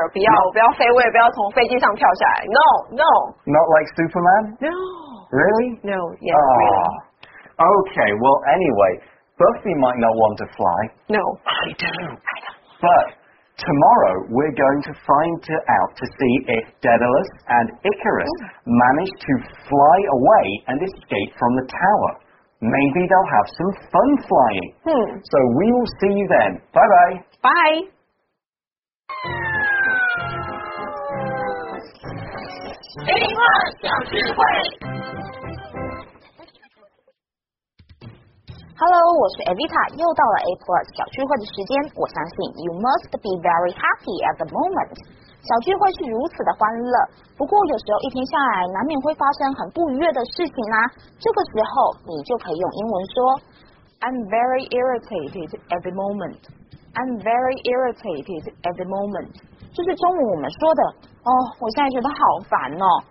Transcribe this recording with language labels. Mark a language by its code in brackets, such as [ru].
[zh] 不要, 不要飞,我也不要从飞机上跳下来。 [en] No, no. Not like Superman? No. Really? No, yeah, oh. Really. Okay, well, anyway, Buffy might not want to fly. No. I do. But tomorrow, we're going to find out to see if Daedalus and Icarus manage to fly away and escape from the tower. Maybe they'll have some fun flying. So we will see you then. Bye-bye. Bye. [zh] Hello, 我是 Evita, 又到了 A-Plus 小聚会的时间。我相信 [en] you must be very happy at the moment. [zh] 小聚会是如此的欢乐，不过有时候一天下来难免会发生很不愉悦的事情啊。这个时候你就可以用英文说 [en] I'm very irritated at the moment. I'm very irritated at the moment. [zh] 就是中文我们说的哦，我现在觉得好烦哦。